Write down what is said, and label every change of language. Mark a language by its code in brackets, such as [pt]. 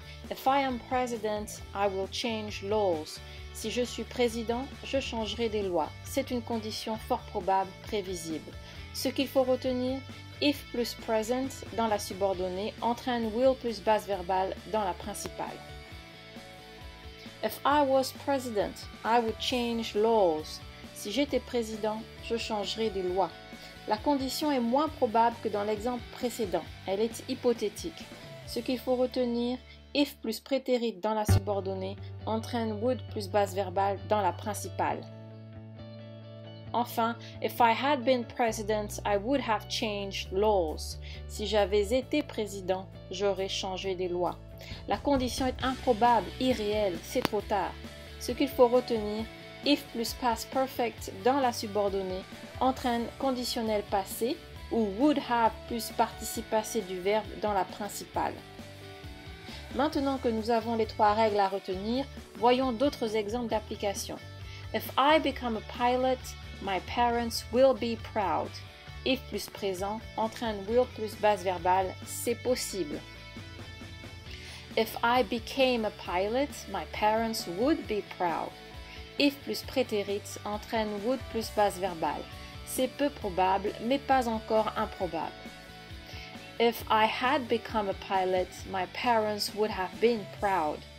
[en] If I am president, I will change laws. [fr] Si je suis président, je changerai des lois. C'est une condition fort probable, prévisible. Ce qu'il faut retenir, if plus present dans la subordonnée entraîne will plus base verbale dans la principale. [en] If I was president, I would change laws. [fr] Si j'étais président, je changerais des lois. La condition est moins probable que dans l'exemple précédent. Elle est hypothétique. Ce qu'il faut retenir, if plus prétérit dans la subordonnée entraîne would plus base verbale dans la principale. [en] Enfin, if I had been president, I would have changed laws. [fr] Si j'avais été président, j'aurais changé des lois. La condition est improbable, irréelle, c'est trop tard. Ce qu'il faut retenir, if plus past perfect dans la subordonnée entraîne conditionnel passé ou would have plus participe passé du verbe dans la principale. Maintenant que nous avons les trois règles à retenir, voyons d'autres exemples d'application. [en] If I become a pilot, my parents will be proud. [fr] If plus présent entraîne will plus base verbale, c'est possible. [en] If I became a pilot, my parents would be proud. [fr] If plus prétérit entraîne would plus base verbale. C'est peu probable, mais pas encore improbable. [en] If I had become a pilot, my parents would have been proud.